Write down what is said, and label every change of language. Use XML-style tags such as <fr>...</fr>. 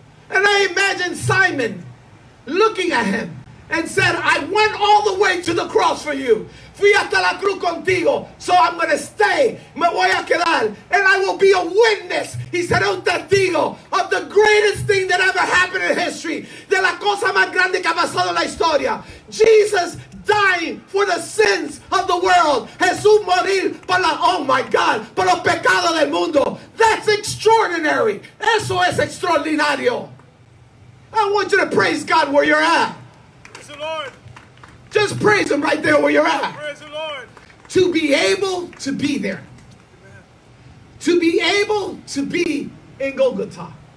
<en>And I imagine Simon looking at him, and said, I went all the way to the cross for you.</en> <es>Fui hasta la cruz contigo.</es> <en>So I'm going to stay.</en> <es>Me voy a quedar.</es> <en>And I will be a witness. He said,</en> <es>un testigo</es> <en>of the greatest thing that ever happened in history.</en> <es>De la cosa más grande que ha pasado en la historia.</es> <en>Jesus dying for the sins of the world.</en> <es>Jesús morir por la,</es> <en>oh my God,</en> <es>por los pecados del mundo.</es> <en>That's extraordinary.</en> <es>Eso es extraordinario.</es> <en>I want you to praise God where you're at. Lord. Just praise him right there where you're at. Praise the Lord. To be able to be there. Amen. To be able to be in Golgotha.</en>